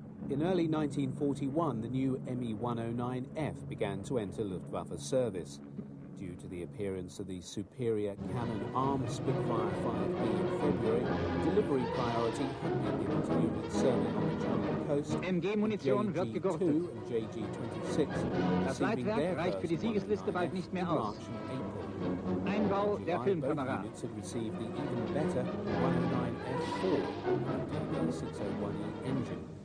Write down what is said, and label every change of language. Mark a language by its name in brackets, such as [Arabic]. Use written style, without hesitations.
[English] In early 1941, the new ME-109F began to enter Luftwaffe service. Due to the appearance of the superior cannon-armed Spitfire 5B in February, delivery priority had been given to units serving on the German coast. [German] MG Munition wird gegortet. JG-2 [English] and JG-26. [German] Das Leitwerk reicht für die Siegesliste bald nicht mehr aus. Einbau der Filmkamera. [English] Both units had received the even better 109F4 601E engine.